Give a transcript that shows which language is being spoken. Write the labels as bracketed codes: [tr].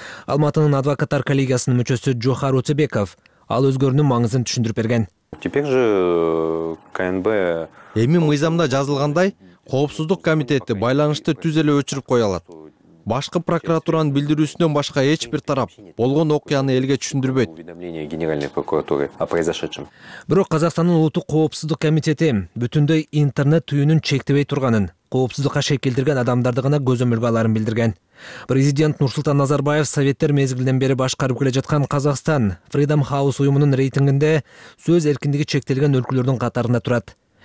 [ky] Алматынын адвокаттар коллегиясынын мүчөсү Жохар Өтөбеков ал өзгөрүүнүн маңызын түшүндүрүп берген. [ru] Теперь же КНБ. [ky] Эми мыйзамда жазылгандай, коопсуздук комитети байланышты түз эле өчүрүп кое алат. Башкы прокуратуранын билдирүүсүнөн башка эч бир тарап болгон окуяны элге түшүндүрбөйт. [ru] Генеральная прокуратура о произошедшем. [ky] Бирок Казакстандын улуттук коопсуздук комитети бүтүндөй интернет түйүнүн чектебей турганын, коопсуздукка шек келтирген адамдарды гана көзөмөлгө аларын билдирген. Президент Нурсултан Назарбаев советтер мезгилинен бери башкарып келе жаткан Казакстан Freedom House уюмунун рейтингинде сөз эркиндиги чектелген өлкөлөрдүн катарында турат.